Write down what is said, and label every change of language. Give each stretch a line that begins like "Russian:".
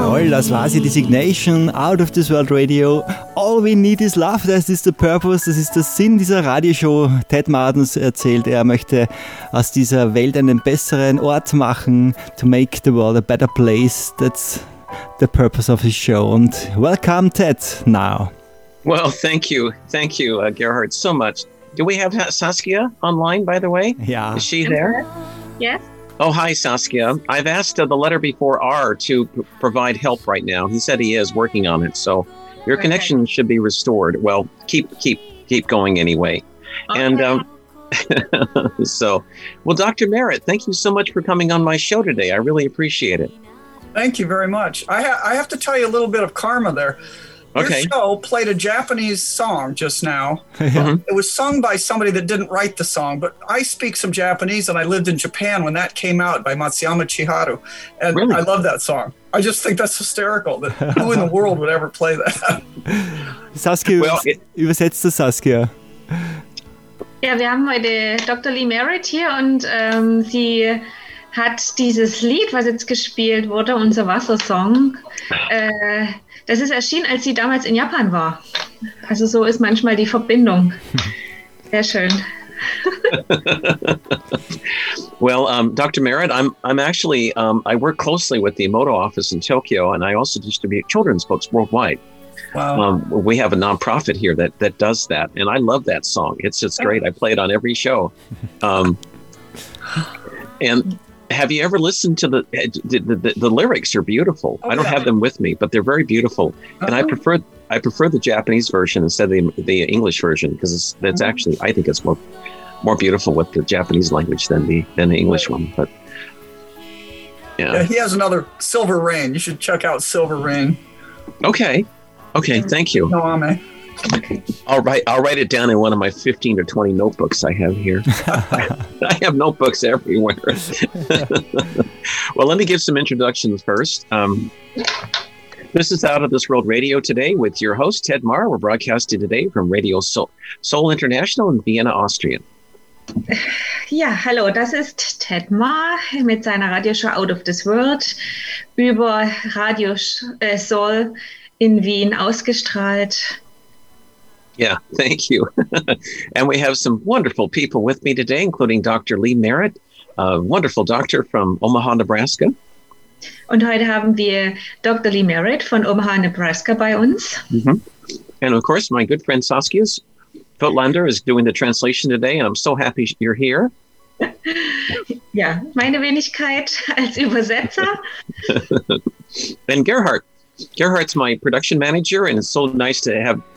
German: Das war sie, die Signation, Out of This World Radio.
English: All we need is love,
German: das ist der Purpose, das ist der Sinn dieser Radioshow. Ted Martens erzählt, er möchte aus dieser Welt einen besseren Ort machen,
English: to make the world a better place. That's the purpose of his show. And welcome, Ted, now. Well, thank you, Gerhard, so much. Do we have Saskia online, by the way? Yeah. Is she there? Yes. Oh, hi, Saskia. I've asked the letter before R to provide help right now. He said he is working on it, so your connection should be restored. Well, keep going anyway. Okay. And Dr. Merritt, thank you so much for coming on my show today. I really appreciate it. Thank you very much. I have to tell you a little bit of karma there. Okay. Your show played a Japanese song just now. Mm-hmm. It was sung by somebody that didn't write the song, but I speak some Japanese and I lived in Japan when that came out by Matsuyama Chiharu. And really? I love that song. I just think that's hysterical that who in the world would ever play that?
German: Saskia, well, übersetzt das Saskia. Ja, wir haben heute Dr. Lee Merritt hier und sie hat dieses Lied, was jetzt gespielt wurde, unser Wassersong, das ist erschienen, als sie damals in Japan war. Also so ist manchmal die Verbindung. Sehr schön.
English: Well, Dr. Merritt, I'm actually I work closely with the Emoto office in Tokyo and I also distribute children's books worldwide. Wow. We have a nonprofit here that does that, and I love that song. It's just great. I play it on every show. And have you ever listened to the lyrics? Are beautiful. Oh, I don't have them with me, but they're very beautiful. Uh-huh. And I prefer the Japanese version instead of the English version because it's uh-huh. actually I think it's more beautiful with the Japanese language than the English one. But yeah, he has another Silver Rain. You should check out Silver Rain. Okay. Okay, thank you. No, Ame. All right, I'll write it down in one of my 15 or 20 notebooks I have here. I have notebooks everywhere. Well, let me give some introductions first. This is Out of This World Radio today with your host, Ted Marr. We're broadcasting today from Radio Seoul International in Vienna, Austria.
German: Ja, hallo, das ist Ted Ma mit seiner Radioshow Out of This World über Radio Seoul in Wien ausgestrahlt.
English: Yeah, thank you. And we have some wonderful people with me today, including Dr. Lee Merritt, a wonderful doctor from Omaha, Nebraska.
German: Und heute haben wir Dr. Lee Merritt von Omaha, Nebraska bei uns. Mm-hmm.
English: And of course, my good friend Saskia Footlander is doing the translation today, and I'm so happy you're here.
German: Ja, meine Wenigkeit als Übersetzer.
English: And Gerhard's my production manager, and it's so nice to have.